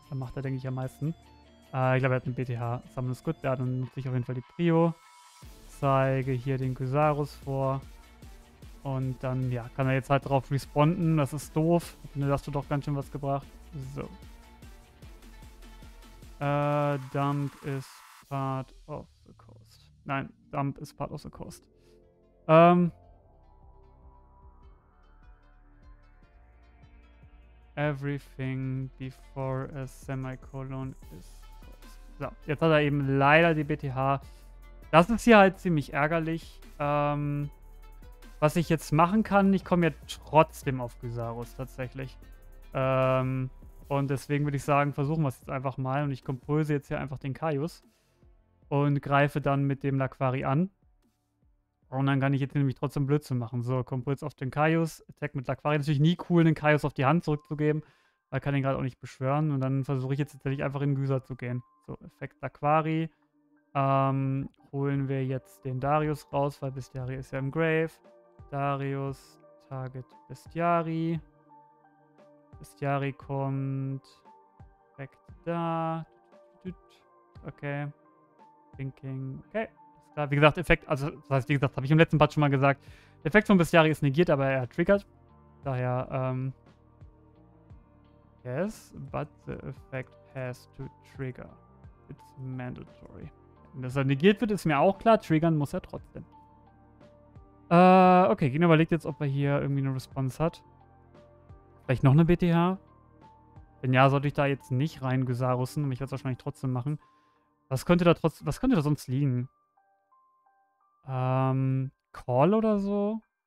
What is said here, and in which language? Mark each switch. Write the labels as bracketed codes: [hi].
[de] Dann macht er, denke ich, am meisten. Ich glaube, er hat einen BTH. Summon ist gut. Ja, dann nutze ich auf jeden Fall die Prio. Zeige hier den Kysarus vor. Und dann, ja, kann er jetzt halt drauf responden. Das ist doof. Ich finde, das hat doch ganz schön was gebracht. So. [en] Dump is part of the coast. Nein, Dump is part of the coast. Everything before a semicolon is closed. [de] So, jetzt hat er eben leider die BTH. Das ist hier halt ziemlich ärgerlich. Was ich jetzt machen kann, ich komme ja trotzdem auf Gysarus tatsächlich. Und deswegen würde ich sagen, versuchen wir es jetzt einfach mal. Und ich kompröse jetzt hier einfach den Kaius und greife dann mit dem Laquari an. Und dann kann ich jetzt nämlich trotzdem Blödsinn machen. So, Kompulse auf den Kaius, Attack mit Laquari. Natürlich nie cool, den Kaius auf die Hand zurückzugeben, weil kann ihn gerade auch nicht beschwören. Und dann versuche ich jetzt tatsächlich einfach in Güser zu gehen. So, Effekt Laquari. Holen wir jetzt den Darius raus, weil Bestiari ist ja im Grave. Darius, Target Bestiari. Bestiari kommt direkt da. Okay. Thinking, okay. Wie gesagt, Effekt, also das heißt, wie gesagt, habe ich im letzten Part schon mal gesagt, der Effekt von Bestiari ist negiert, aber er triggert. [en] Daher, yes, but the effect has to trigger. It's mandatory. [de] Und dass er negiert wird, ist mir auch klar, triggern muss er trotzdem. Okay, Gino überlegt jetzt, ob er hier irgendwie eine Response hat. Vielleicht noch eine BTH? Wenn ja, sollte ich da jetzt nicht rein Gysarussen, aber ich werde es wahrscheinlich trotzdem machen. Was könnte da sonst liegen? Call oder so?